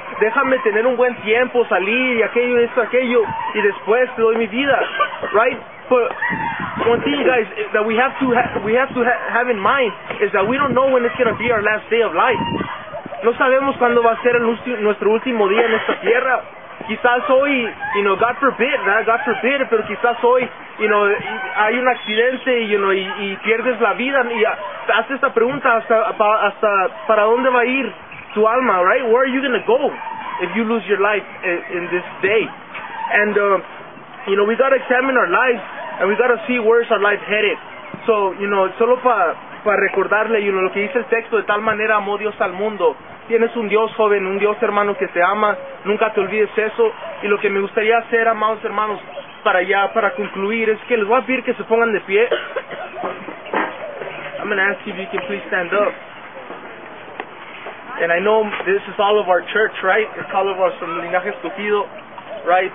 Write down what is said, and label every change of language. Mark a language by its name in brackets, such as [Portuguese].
[Spanish] Déjame tener un buen tiempo, salir y aquello, esto, aquello. Y después te doy mi vida, right? [English] But one thing, guys, that we have to have in mind is that we don't know when it's going to be our last day of life. [Spanish] No sabemos cuándo va a ser nuestro último día en esta tierra. Quizás hoy, you know, [English] God forbid, [Spanish] ¿verdad? God forbid, pero quizás hoy, you know, hay un accidente, you know, y pierdes la vida. Y haz esta pregunta, hasta para dónde va a ir tu alma, right? [English] Where are you going to go if you lose your life in this day? And, you know, we got to examine our lives, and we got to see where is our life headed. [Spanish] So, you know, solo para recordarle, you know, lo que dice el texto, de tal manera amó Dios al mundo. Tienes un Dios joven, un Dios hermano que te ama, nunca te olvides eso. Y lo que me gustaría hacer, amados hermanos, para ya, para concluir, es que les voy a pedir que se pongan de pie. [English] I'm going to ask you if you can please stand up. And I know this is all of our church, right? It's all of us from Linaje Escogido, right?